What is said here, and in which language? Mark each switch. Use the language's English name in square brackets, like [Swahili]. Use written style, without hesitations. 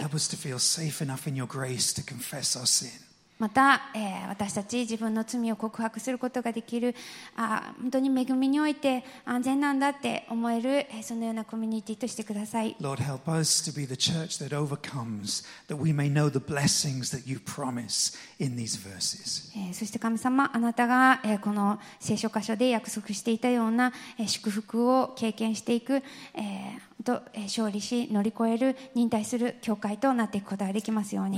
[English] Help us to feel safe enough in your grace to confess our sin. [Japanese] また、私たち自分の罪を告白することができる本当に恵みにおいて安全なんだって思える、そのようなコミュニティとしてください。 [English] Lord, help us to be the church that overcomes, that we may know the blessings that you promise in these verses. [Japanese] そして神様、あなたが、この聖書箇所で約束していたような、祝福を経験していく、勝利し乗り越える忍耐する教会となっていくことができますように。